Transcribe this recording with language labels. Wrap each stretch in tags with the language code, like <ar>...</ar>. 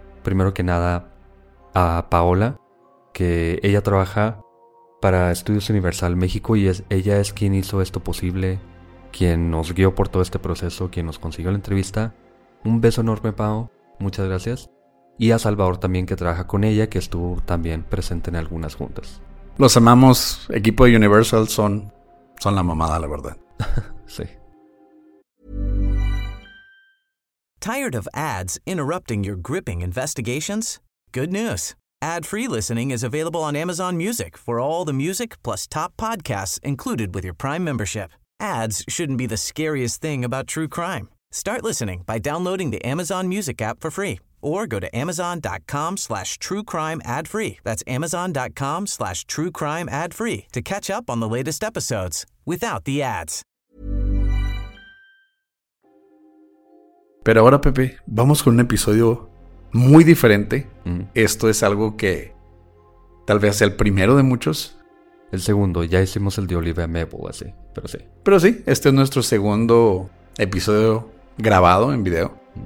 <es>Primero que nada, a Paola, que ella trabaja para Estudios Universal México y ella es quien hizo esto posible, quien nos guió por todo este proceso, quien nos consiguió la entrevista. Un beso enorme, Pao. Muchas gracias. Y a Salvador también, que trabaja con ella, que estuvo también presente en algunas juntas. Los amamos. Equipo de Universal son la mamada, la verdad. Sí.</es> <en>Tired of ads interrupting your gripping investigations? Good news. Ad-free listening is available on Amazon Music for all the music plus top podcasts included with your Prime membership. Ads shouldn't be the scariest thing about true crime. Start listening by downloading the Amazon Music app for free or go to amazon.com/truecrimeadfree. That's amazon.com/truecrimeadfree to catch up on the latest episodes without the ads.</en> <es>Pero ahora, Pepe, vamos con un episodio muy diferente. Esto es algo que tal vez sea el primero de muchos. El segundo, ya hicimos el de Olivia Mabel, así, pero sí. Pero sí, este es nuestro segundo episodio grabado en video.</es>